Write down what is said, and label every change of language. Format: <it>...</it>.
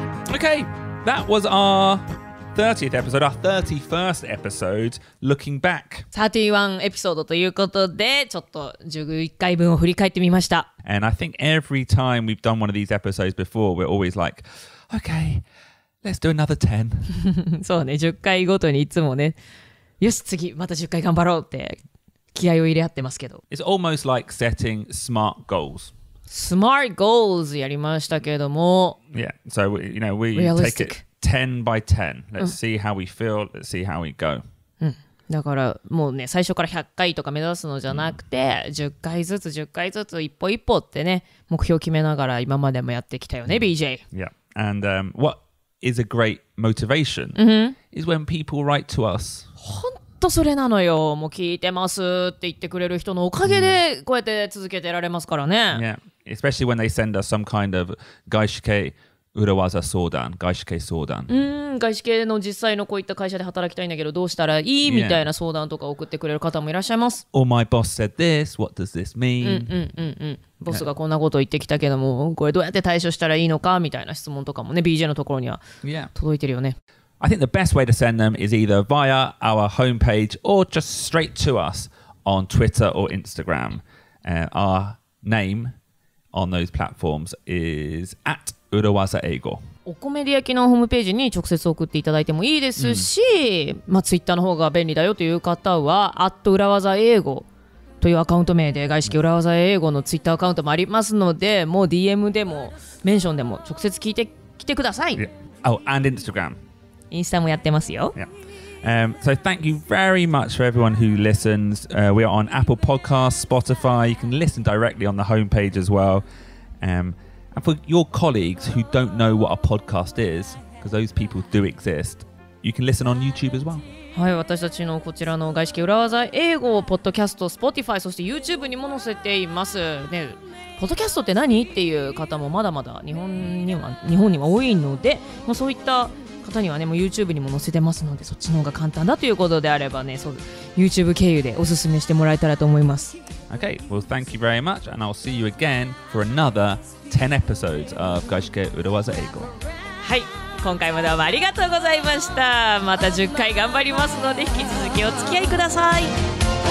<en>Okay, that was our 30th episode, our 31st episode, looking back. 31 episode</en> <ja>ということで、ちょっと11回分を振り返ってみました。</ja> <en>And I think every time we've done one of these episodes before, we're always like, okay, let's do another 10.</en> <ja>そうね、10回ごとにいつもね、よし、次また10回頑張ろうって気合を入れ合ってますけど。</ja> <en>It's almost like setting smart goals. Smart goals</en> <ja>やりましたけれども。</ja> <en>Yeah, so we, you know, we Realistic. Take it 10 by 10. Let's see how we feel, let's see how we go.</en> <ja>だからもうね、最初から100回とか目指すのじゃなくて、10回ずつ10回ずつ一歩一歩ってね、目標決めながら今までもやってきたよね、BJ。</ja> <en>Yeah, and what is a great motivation is when people write to us.</en> <ja>本当それなのよ。もう聞いてますって言ってくれる人のおかげで、こうやって続けてられますからね。</ja> <en>Yeah. Especially when they send us some kind of</en> <ja>外資系裏技相談、外資系相談。外資系の実際のこういった会社で働きたいんだけどどうしたらいい、yeah. みたいな相談とか送ってくれる方もいらっしゃいます。</ja> <en>Or my boss said this, what does this mean?</en> <ja>ボスがこんなこと言ってきたけども、これどうやって対処したらいいのかみたいな質問とかもね、BJ のところには届いてるよね。</ja> <en>Yeah. I think the best way to send them is either via our homepage or just straight to us on Twitter or Instagram. Our name... on those platforms is at 裏技英語。</en> <ja>おこめり焼きのホームページに直接送っていただいてもいいですし、まあツイッターの方が便利だよという方は at 裏技英語というアカウント名で外資系裏技英語のツイッターアカウントもありますので、もう DM でもメンションでも直接聞いてきてください。</ja> <en>Yeah. Oh, and Instagram.</en> <ja>インスタもやってますよ。</ja> <en>Yeah. So thank you very much for everyone who listens. We are on Apple Podcasts, Spotify. You can listen directly on the homepage as well. And for your colleagues who don't know what a podcast is, because those people do exist, you can listen on YouTube as well.</en> <ja>はい、私たちのこちらの外資系裏技英語ポッドキャスト、Spotify、そして YouTube にも載せています。ね、ポッドキャストって何っていう方もまだまだ日本には多いので、もうそういった。方にはね、もう YouTube にも載せてますのでそっちの方が簡単だということであればね、そう YouTube 経由でおすすめしてもらえたらと思います。</ja> <en>Okay, well thank you very much and I'll see you again for another 10 episodes of 外資系裏技英語。</en> <ja>はい、今回もどうもありがとうございました。また10回頑張りますので引き続きお付き合いください。</ja>